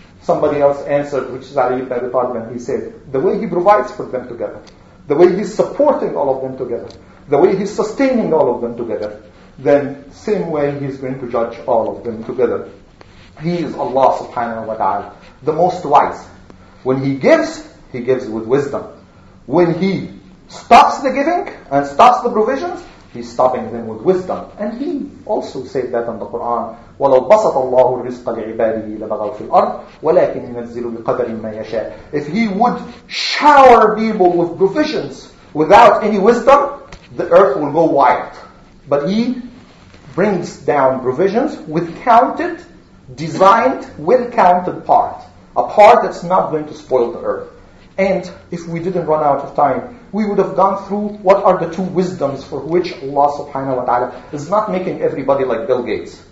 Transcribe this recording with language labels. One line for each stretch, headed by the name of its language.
English: Somebody else answered, which is Ali ibn Abi Talib, and he said, the way he provides for them together, the way he's supporting all of them together, the way he's sustaining all of them together, then same way he's going to judge all of them together. He is Allah subhanahu wa ta'ala, the most wise. When he gives with wisdom. When he stops the giving and stops the provisions, he's stopping them with wisdom. And he also said that in the Quran,
Arabic: وَلَوْ بَسَطَ اللَّهُ الرِّزْقَ لِعِبَادِهِ لَبَغَوْا فِي الْأَرْضِ وَلَكِنْ يُنَزِّلُ بِقَدَرٍ مَّا يَشَاءُ.
English: If he would shower people with provisions without any wisdom, the earth will go wild. But he brings down provisions with counted, designed, well-counted part. A part that's not going to spoil the earth. And if we didn't run out of time, we would have gone through what are the two wisdoms for which Allah subhanahu wa ta'ala is not making everybody like Bill Gates.